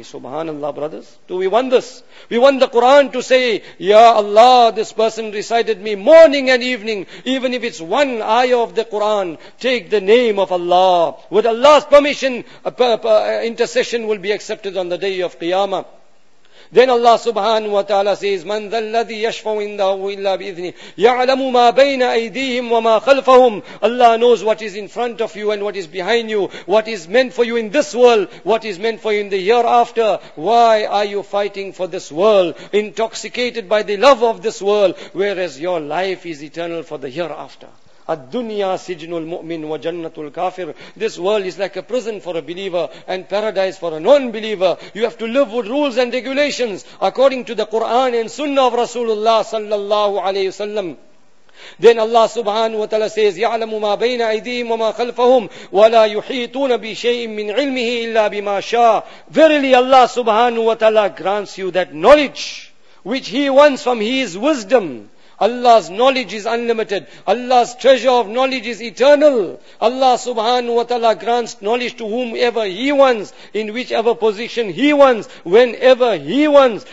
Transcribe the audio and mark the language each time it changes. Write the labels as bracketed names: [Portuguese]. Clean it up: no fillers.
[English] Subhanallah, brothers, do we want this? We want the Quran to say, Ya Allah, this person recited me morning and evening, even if it's one ayah of the Quran, take the name of Allah. With Allah's permission, intercession will be accepted on the day of Qiyamah. Then Allah subhanahu wa ta'ala says, [Arabic] مَنْ ذَلَّذِي يَشْفَوْ إِنْدَهُ إِلَّا بِإِذْنِهِ يَعْلَمُ مَا بَيْنَ أَيْدِيهِمْ وَمَا خَلْفَهُمْ. [English] Allah knows what is in front of you and what is behind you, what is meant for you in this world, what is meant for you in the hereafter. Why are you fighting for this world, intoxicated by the love of this world, whereas your life is eternal for the hereafter? [Arabic] الدُّنْيَا سِجْنُ الْمُؤْمِنُ وَجَنَّةُ الْكَافِرُ. [English] This world is like a prison for a believer and paradise for a non-believer. You have to live with rules and regulations according to the Quran and Sunnah of Rasulullah sallallahu alayhi wa sallam. Then Allah subhanahu wa ta'ala says, [Arabic] يَعْلَمُ مَا بَيْنَ أَيْدِيهِمْ وَمَا خَلْفَهُمْ وَلَا يُحِيطُونَ بِشَيْءٍ مِّنْ عِلْمِهِ إِلَّا بِمَا شَاءَ. [English] Verily Allah subhanahu wa ta'ala grants you that knowledge which He wants from His wisdom. Allah's knowledge is unlimited. Allah's treasure of knowledge is eternal. Allah subhanahu wa ta'ala grants knowledge to whomever He wants, in whichever position He wants, whenever He wants.